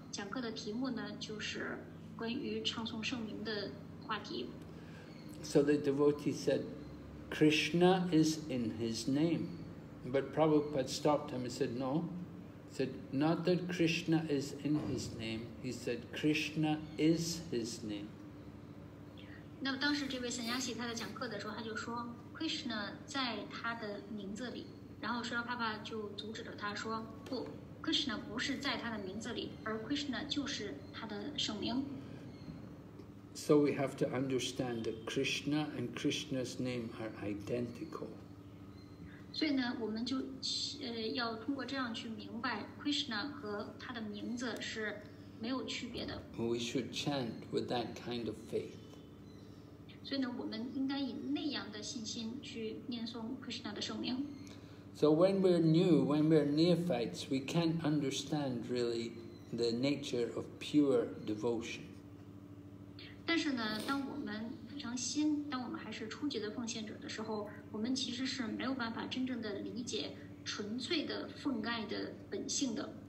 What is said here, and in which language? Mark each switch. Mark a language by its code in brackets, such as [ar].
[zh] 讲课的题目呢就是关于唱诵圣名的话题。 [en] So the devotee said, Krishna is in his name. But Prabhupada stopped him and said, no. He said, not that Krishna is in his name. He said, Krishna is his name. [zh] 那当时这位神仙喜他在讲课的时候，他就说 Krishna 在他的名字里。然后说到爸爸就阻止了他说，不， Krishna 不是在他的名字里，而 Krishna 就是他的圣名。 [en] So we have to understand that Krishna and Krishna's name are identical. [zh] 所以呢，我们就要通过这样去明白 Krishna 和他的名字是没有区别的。 [en] We should chant with that kind of faith. [zh] 所以呢，我们应该以那样的信心去念诵 Krishna 的圣名。 [en] So when we're new, when we're neophytes, we can't understand really the nature of pure devotion. [zh] 但是呢，当我们非常新，当我们还是初级的奉献者的时候，我们其实是没有办法真正的理解纯粹的奉盖的本性的。